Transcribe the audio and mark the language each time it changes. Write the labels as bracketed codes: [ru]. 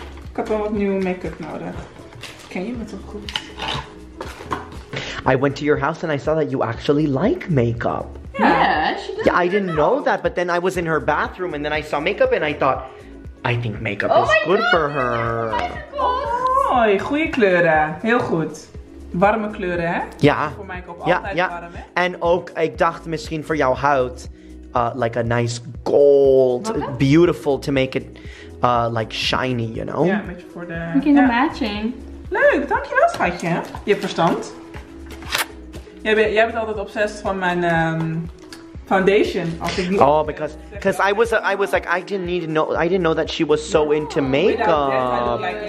[nl] Ik heb wel wat nieuwe make-up nodig. Ken je me toch goed? [en] I went to your house and I saw that you actually like make-up. Yeah, she does. Yeah, I didn't know that, but then I was in her bathroom and then I saw make-up and I thought, I think make-up oh is good God, for her. [nl] Mooi, goede kleuren. Heel goed. Warme kleuren, hè? Ja. Voor make-up altijd warm, hè? En ook, ik dacht misschien voor jouw huid, [en] like a nice gold, beautiful to make it... like shiny, you know? [nl] Ja, een beetje voor de... Een beetje de matching. Leuk, dankjewel schatje. Je hebt verstand. Jij bent altijd obsessed van mijn foundation. Als ik niet [en] oh, because I was like, I didn't know that she was so into makeup.